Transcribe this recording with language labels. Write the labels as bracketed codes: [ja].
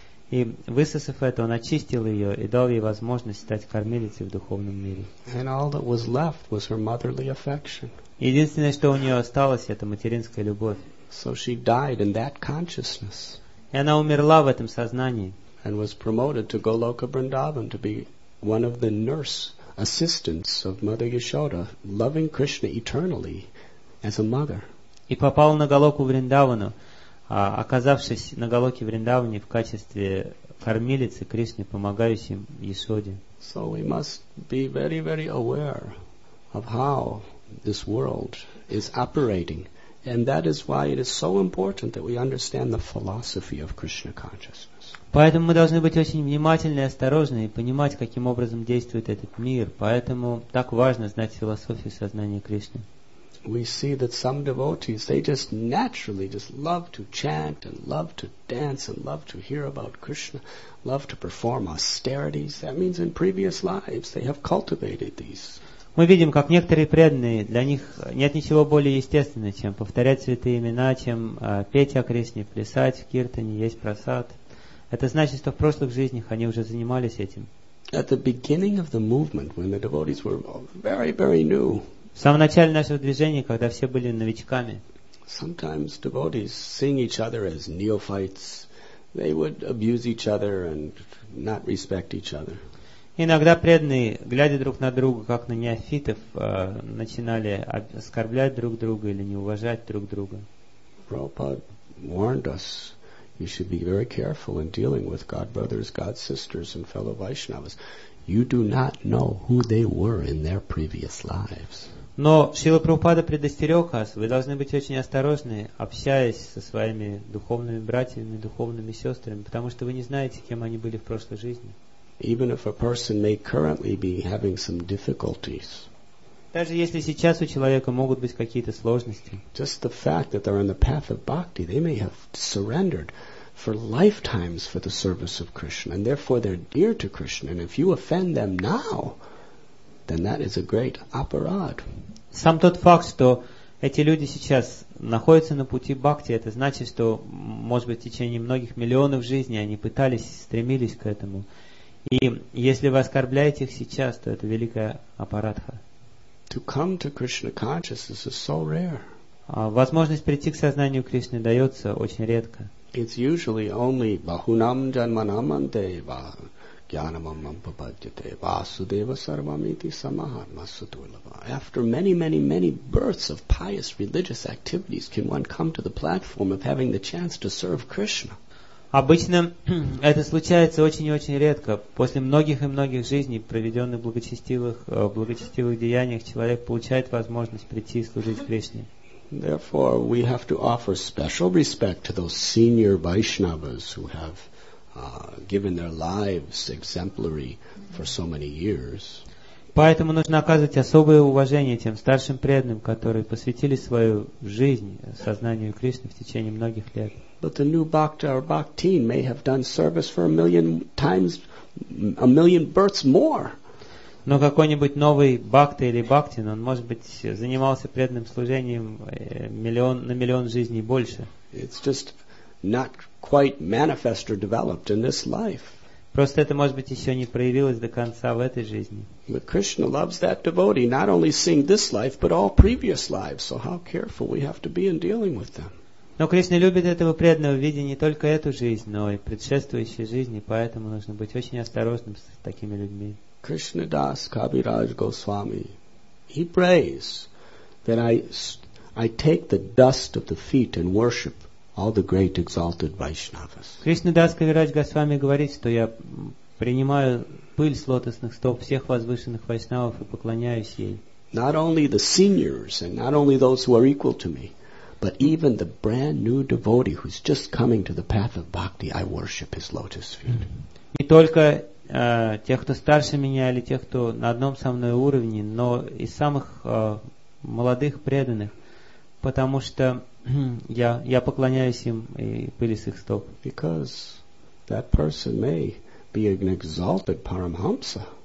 [ru] И высосав это, он очистил ее и дал ей возможность стать кормилицей в духовном мире. [en] And all that was left was her motherly affection. [ru] Единственное, что у нее осталось, это материнская любовь. [en] So she died in that consciousness. [ru] И она умерла в этом сознании. [en] And was promoted to Goloka Vrindavan to be one of the nurse assistants of Mother Yashoda, loving Krishna eternally as a mother. [ru] И попал на Голоку Вриндавану, оказавшись на Голоке Вриндаване в качестве кормилицы Кришны, помогающей Ясоде. [en] So we must be very, very aware of how this world is operating And that is why it is so important that we understand the philosophy of Krishna consciousness. [ru] Поэтому мы должны быть очень внимательны и осторожны и понимать, каким образом действует этот мир. Поэтому так важно знать философию сознания Кришны. [en] We see that some devotees, they just naturally just love to chant and love to dance and love to hear about Krishna, love to perform austerities. That means in previous lives they have cultivated these. [ru] Мы видим, как некоторые преданные, для них нет ничего более естественного, чем повторять святые имена, чем петь о Кришне, плясать в киртане, есть просад. Это значит, что в прошлых жизнях они уже занимались этим. [en] At the beginning of the movement, when the devotees were very, very new, [ru] в самом начале нашего движения, когда все были новичками, [en] sometimes devotees, seeing each other as neophytes, they would abuse each other and not respect each other. [ru] Иногда преданные, глядя друг на друга, как на неофитов, начинали оскорблять друг друга или не уважать друг друга. [en] Prabhupada warned us, you should be very careful in dealing with God brothers, God sisters and fellow Vaishnavas. You do not know who they were in their previous lives. [ru] Но Шрила Прабхупада предостерег вас, вы должны быть очень осторожны, общаясь со своими духовными братьями, духовными сестрами, потому что вы не знаете, кем они были в прошлой жизни. [en] Even if a person may currently be having some difficulties, [ru] даже если сейчас у человека могут быть какие-то сложности, [en] just the fact that they're on the path of bhakti, they may have surrendered for lifetimes for the service of Krishna, and therefore they're dear to Krishna. And if you offend them now, then that is a great aparad. [ru] Сам тот факт, что эти люди сейчас находятся на пути бхакти, это значит, что, может быть, в течение многих миллионов жизней они пытались, стремились к этому. И если вы оскорбляете их сейчас, то это великая апарадха. [en] To come to Krishna consciousness is so rare. [ru] Возможность прийти к сознанию Кришны дается очень редко. [en] It's usually only [sa] bahunam janmanamante va gyanamam papadyate vasudeva sarvamiti samahatmasutulava. [en] After many, many, many births of pious religious activities can one come to the platform of having the chance to serve Krishna. [ru] Обычно это случается очень и очень редко. После многих и многих жизней, проведенных в благочестивых деяниях, человек получает возможность прийти и служить Кришне. [en] Therefore, we have to offer special respect to those senior Vaishnavas who have given their lives exemplary for so many years. [ru] Поэтому нужно оказывать особое уважение тем старшим преданным, которые посвятили свою жизнь сознанию Кришны в течение многих лет. [en] But the new bhakta or bhaktin may have done service for a million times, a million births more. [ru] Но какой-нибудь новый бхакта или бхактин, он, может быть, занимался преданным служением миллион, на миллион жизней больше. [en] It's just not quite manifest or developed in this life. [ru] Просто это, может быть, еще не проявилось до конца в этой жизни. [en] But Krishna loves that devotee, not only seeing this life, but all previous lives. So how careful we have to be in dealing with them. [ru] Но Кришна любит этого преданного, видя не только эту жизнь, но и предшествующие жизни, поэтому нужно быть очень осторожным с такими людьми. [en] Krishna Das Kaviraj Goswami, he prays that I take the dust of the feet and worship all the great exalted Vaishnavas. [ru] Krishna Das Kaviraj Goswami говорит, что я принимаю пыль с лотосных стоп всех возвышенных вайшнавов и поклоняюсь ей. [en] Not only the seniors and not only those who are equal to me, but even the brand new devotee who's just coming to the path of bhakti, I worship his lotus feet. [ru] Не только тех, кто старше меня, или тех, кто на одном со мной уровне, но и самых молодых преданных, потому что я поклоняюсь им и пыли с их стоп. [en] Because that person may be an exalted paramahamsa.